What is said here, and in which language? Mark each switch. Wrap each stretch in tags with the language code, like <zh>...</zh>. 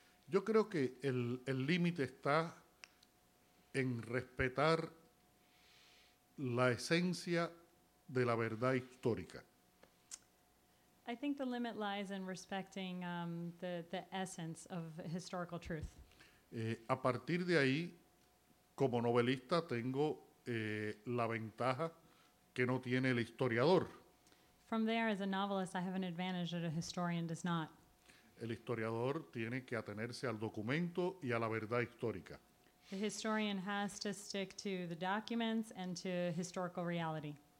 <es>Yo creo que el límite está en respetar la esencia de la verdad histórica.</es> <en>I think the limit lies in respecting the essence of historical truth.</en> <es>A partir de ahí, como novelista, tengo la ventaja que no tiene el historiador.</es> <en>From there, as a novelist, I have an advantage that a historian does not.</en> <es>El historiador tiene que atenerse al documento y a la verdad histórica.</es> <en>The historian has to stick to the documents and to historical reality.</en>